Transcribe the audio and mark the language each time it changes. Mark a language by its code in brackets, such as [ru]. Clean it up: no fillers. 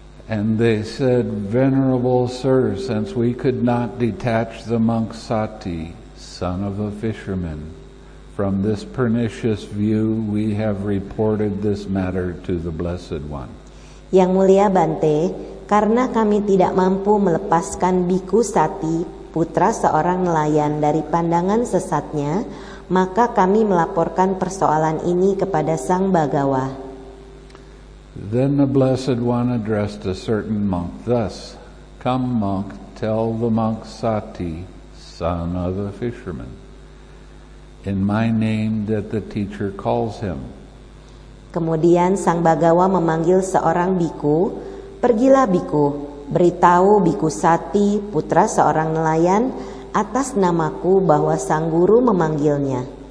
[en] And they said, "Venerable sir, since we could not detach the monk Sati, son of a fisherman, from this pernicious view, we have reported this matter to the Blessed One." [id] Yang mulia Bante, karena kami tidak mampu melepaskan Bhikkhu Sati, putra seorang nelayan, dari pandangan sesatnya, maka kami melaporkan persoalan ini kepada Sang Bhagawa. [en] Then the Blessed One addressed a certain monk thus, "Come monk, tell the monk Sati, son of a fisherman, in my name that the teacher calls him." [id] Kemudian Sang Bhagawa memanggil seorang biku, "Pergilah biku, beritahu biku Sati, putra seorang nelayan, atas namaku bahwa sang guru memanggilnya."